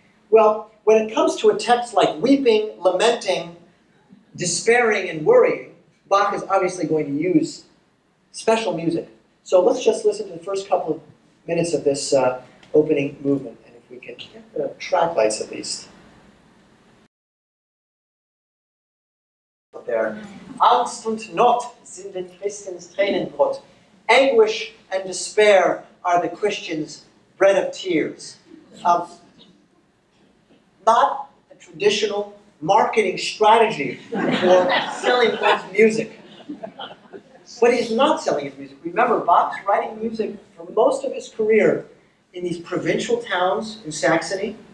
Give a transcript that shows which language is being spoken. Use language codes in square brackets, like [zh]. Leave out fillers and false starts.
[en] Well, when it comes to a text like weeping, lamenting, despairing, and worrying, Bach is obviously going to use special music. So let's just listen to the first couple of minutes of this opening movement, and if we can get the track lights at least. There. [de] Angst und Not sind den Christen's Tränenbrot. [en] Anguish and despair are the Christian's bread of tears. Not a traditional marketing strategy for selling Bach's music. But he's not selling his music. Remember, Bach's writing music for most of his career in these provincial towns in Saxony.